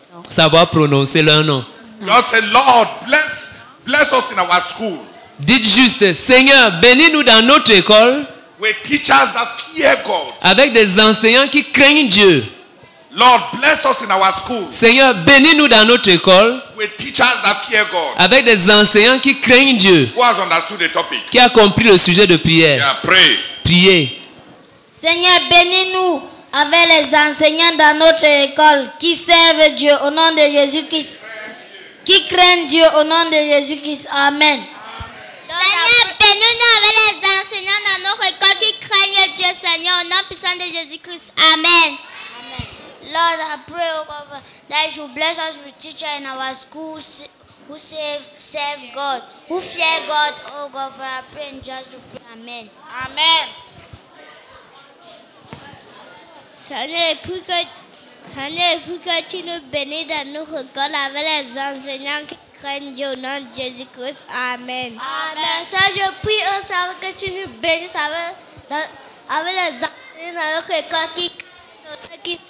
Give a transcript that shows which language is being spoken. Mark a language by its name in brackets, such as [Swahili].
[French] Savoir prononcer leur nom. [English] God said, Lord, bless us in our school. [French] Dites juste, Seigneur, bénis-nous dans notre école. [English] With teachers that fear God. [French] Avec des enseignants qui craignent Dieu. [English] Lord, bless us in our school. [French] Seigneur, bénis-nous dans notre école. [English] With teachers that fear God. [French] Avec des enseignants qui craignent Dieu. [English] Who has understood the topic? [French] Qui a compris le sujet de prière? [English] Yeah, pray. [French] Priez. Seigneur, bénis-nous avec les enseignants dans notre école qui servent Dieu au nom de Jésus-Christ. Qui craignent Dieu au nom de Jésus-Christ. Amen. Seigneur, bénis-nous avec les enseignants dans nos écoles qui craignent Dieu, Seigneur, au nom puissant de Jésus-Christ. Amen. Amen. [English] Lord, I pray over that you bless us with teachers in our schools who serve God, who fear God. Oh God, I pray and just to pray. Amen. Amen. [French] Seigneur, prie que tu nous bénis dans nos écoles avec les enseignants qui craignent Dieu au nom de Jésus-Christ. Amen. Amen. Ça, je prie au Seigneur que tu nous bénisses avec les enseignants dans notre école qui craignent Jésus-Christ.